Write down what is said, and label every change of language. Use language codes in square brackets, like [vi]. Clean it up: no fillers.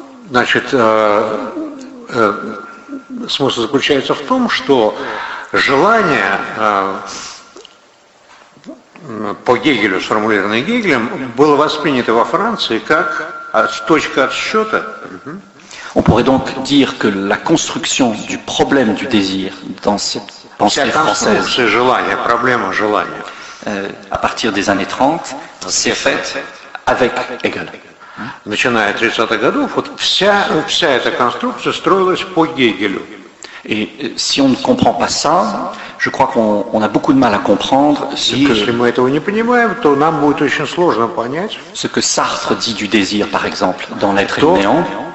[ru] Значит, смысл заключается в том, что желание, по Гегелю, сформулированное Гегелем, было воспринято во Франции как точка отсчета. [fr] On pourrait donc dire que la construction du problème du désir dans cette pensée française, [ru] желание, проблема желания, [fr] à partir des années 30, s'est faite avec Hegel. [ru] Начиная от 30-х годов, вот вся эта конструкция строилась по Гегелю. [fr] Et si on ne comprend pas ça, je crois qu'on a beaucoup de mal à comprendre ce que Sartre dit du désir, par exemple, dans l'être éminent.